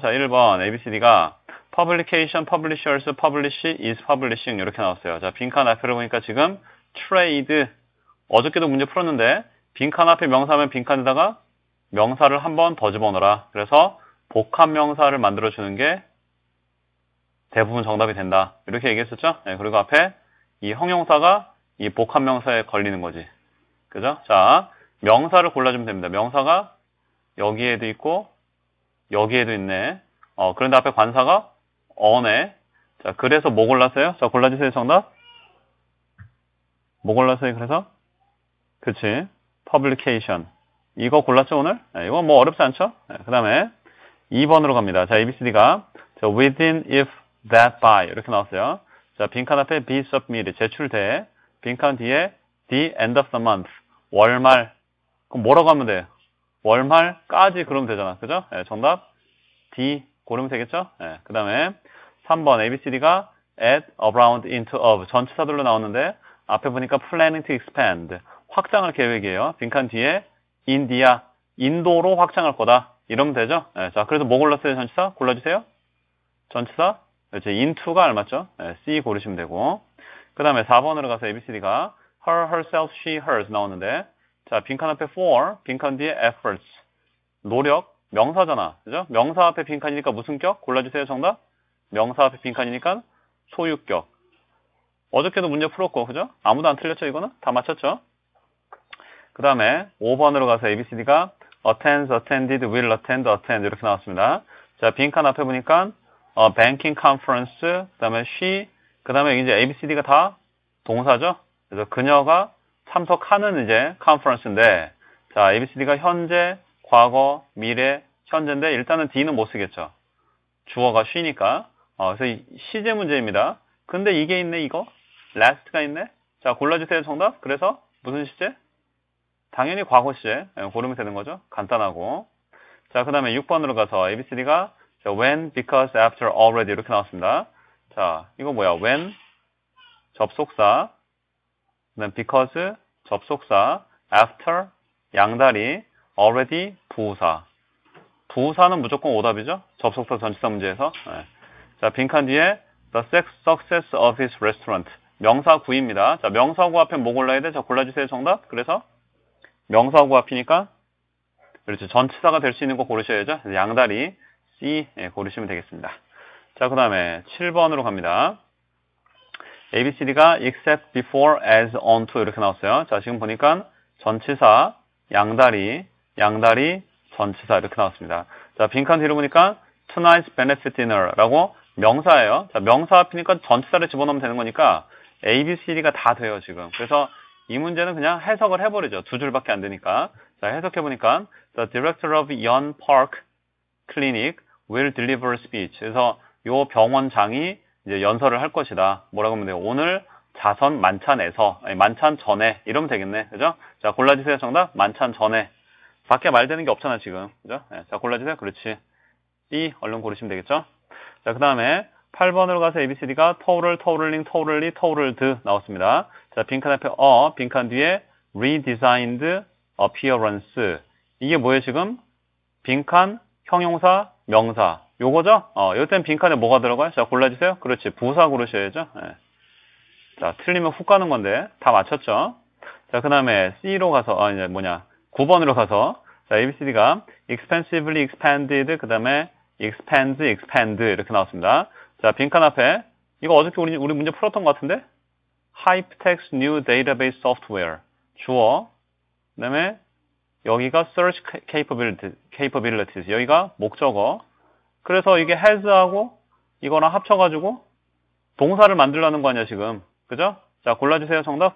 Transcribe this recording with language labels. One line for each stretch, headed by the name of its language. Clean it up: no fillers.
English: 자, 1번, ABCD가 Publication, Publishers, Publish, Is Publishing 이렇게 나왔어요.
Korean: 자, 빈칸 앞에 보니까 지금 Trade, 어저께도 문제 풀었는데 빈칸 앞에 명사하면 빈칸에다가 명사를 한번더 집어넣어라. 그래서 복합 명사를 만들어주는 게 대부분 정답이 된다. 이렇게 얘기했었죠? 네, 그리고 앞에 이 형용사가 이 복합 명사에 걸리는 거지. 그죠? 자, 명사를 골라주면 됩니다. 명사가 여기에도 있고, 여기에도 있네. 그런데 앞에 관사가 어네. 자, 그래서 뭐 골랐어요? 자, 골라주세요. 정답. 뭐 골랐어요? 그래서? 그치. Publication. 이거 골랐죠, 오늘? 네, 이거 뭐 어렵지 않죠? 네, 그 다음에 2번으로 갑니다. 자, ABCD가. 자, within, if, that, by. 이렇게 나왔어요. 자, 빈칸 앞에 be submitted. 제출돼.
English: 빈칸 뒤에 the end of the month.
Korean: 월말. 그럼 뭐라고 하면 돼? 월말까지 그러면 되잖아. 그죠? 예, 정답. D, 고르면 되겠죠? 예, 그 다음에 3번.
English: ABCD가 at, around, into, of.
Korean: 전치사들로 나왔는데, 앞에 보니까
English: planning to expand.
Korean: 확장할 계획이에요. 빈칸 뒤에 India. 인도로 확장할 거다. 이러면 되죠? 예, 자, 그래서 뭐 골랐어요? 전치사? 골라주세요. 전치사? 이제 into가 알맞죠? 예, C 고르시면 되고. 그 다음에 4번으로 가서 ABCD가 her, herself, she, hers 나오는데, 자, 빈칸 앞에 for, 빈칸 뒤에 efforts. 노력, 명사잖아. 그죠? 명사 앞에 빈칸이니까 무슨격? 골라주세요, 정답. 명사 앞에 빈칸이니까 소유격. 어저께도 문제 풀었고, 그죠? 아무도 안 틀렸죠, 이거는? 다 맞췄죠?
English: 그 다음에 5번으로 가서 ABCD가 attends, attended, will attend, attend.
Korean: 이렇게 나왔습니다. 자, 빈칸 앞에 보니까, banking conference, 그 다음에 she, 그 다음에 이제 ABCD가 다 동사죠? 그래서 그녀가 참석하는 이제 컨퍼런스인데, 자, ABCD가 현재, 과거, 미래, 현재인데, 일단은 D는 못 쓰겠죠. 주어가 she니까. 그래서 시제 문제입니다. 근데 이게 있네, 이거. last가 있네. 자, 골라주세요, 정답. 그래서 무슨 시제? 당연히 과거 시제. 고르면 되는 거죠. 간단하고. 자, 그 다음에 6번으로 가서 ABCD가 when, because, after, already 이렇게 나왔습니다. 자, 이거 뭐야? when, 접속사, because, 접속사, after, 양다리, already, 부사. 부사는 무조건 오답이죠? 접속사 전치사 문제에서. 네.
English: 자, 빈칸 뒤에 the success of his restaurant.
Korean: 명사구입니다. 자, 명사구 앞에 뭐 골라야 돼? 자, 골라주세요. 정답. 그래서 명사구 앞이니까 그렇죠. 전치사가 될수 있는 거 고르셔야죠. 양다리, C 네, 고르시면 되겠습니다. 자, 그 다음에 7번으로 갑니다.
English: ABCD가 except, before, as, onto 이렇게 나왔어요.
Korean: 자, 지금 보니까 전치사, 양다리, 양다리, 전치사 이렇게 나왔습니다. 자, 빈칸 뒤로 보니까
English: tonight's benefit dinner
Korean: 라고 명사예요. 자, 명사 앞이니까 전치사를 집어넣으면 되는 거니까 ABCD가 다 돼요, 지금. 그래서 이 문제는 그냥 해석을 해버리죠. 두 줄밖에 안 되니까. 자, 해석해 보니까
English: the director of Yon Park Clinic will deliver a speech.
Korean: 그래서 요 병원장이 이제 연설을 할 것이다. 뭐라고 하면 돼요? 오늘 자선 만찬에서, 아니 만찬 전에 이러면 되겠네. 그죠? 자, 골라주세요. 정답. 만찬 전에. 밖에 말 되는 게 없잖아, 지금. 그죠? 네, 자, 골라주세요. 그렇지. B 얼른 고르시면 되겠죠? 자, 그다음에 8번으로 가서 ABCD가 토를 토를링 토를리 토를드 나왔습니다. 자, 빈칸 앞에 빈칸 뒤에
English: redesigned appearance.
Korean: 이게 뭐예요, 지금? 빈칸 형용사 명사. 요거죠? 요땐 빈칸에 뭐가 들어가요? 자, 골라주세요. 그렇지. 부사 고르셔야죠. 네. 자, 틀리면 훅 가는 건데. 다 맞췄죠? 자, 그 다음에 C로 가서, 이제 뭐냐. 9번으로 가서.
English: 자, ABCD가 expensively expanded, 그 다음에 expands, expand.
Korean: 이렇게 나왔습니다. 자, 빈칸 앞에. 이거 어저께 우리 문제 풀었던 것 같은데?
English: Hyptext New Database Software. 주어.
Korean: 그 다음에 여기가 Search Capabilities. 여기가 목적어. 그래서 이게 has하고 이거랑 합쳐가지고 동사를 만들라는 거 아니야, 지금. 그죠? 자, 골라주세요, 정답.